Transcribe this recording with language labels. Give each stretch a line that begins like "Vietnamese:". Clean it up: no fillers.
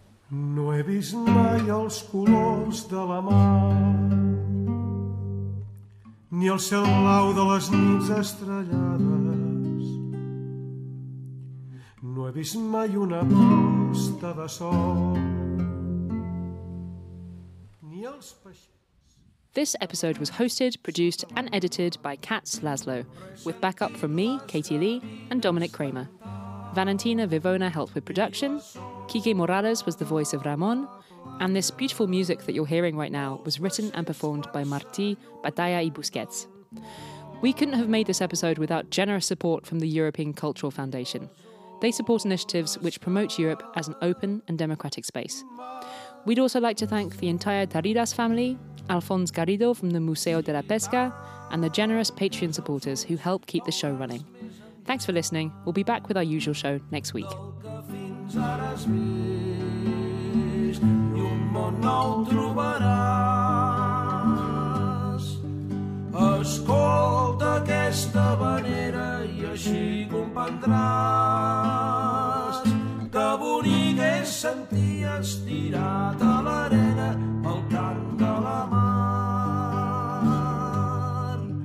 Catalan: No he vist mai els colors de la mar, ni el cel blau de les nits estrellades. No he vist mai una posta de sol, ni els peixets.
English: This episode was hosted, produced and edited by Katz Laszlo, with backup from me, Katie Lee, and Dominic Kramer. Valentina Vivona helped with production. Kike Morales was the voice of Ramon, and this beautiful music that you're hearing right now was written and performed by Martí, Batalla y Busquets. We couldn't have made this episode without generous support from the European Cultural Foundation. They support initiatives which promote Europe as an open and democratic space. We'd also like to thank the entire Taridas family, Alphonse Garrido from the Museo de la Pesca, and the generous Patreon supporters who help keep the show running. Thanks for listening. We'll be back with our usual show next week.
Catalan: Has vist i un món nou trobaràs. Escolta aquesta venera i així comprendràs que bonic és sentir estirat a l'arena el cant de la mar.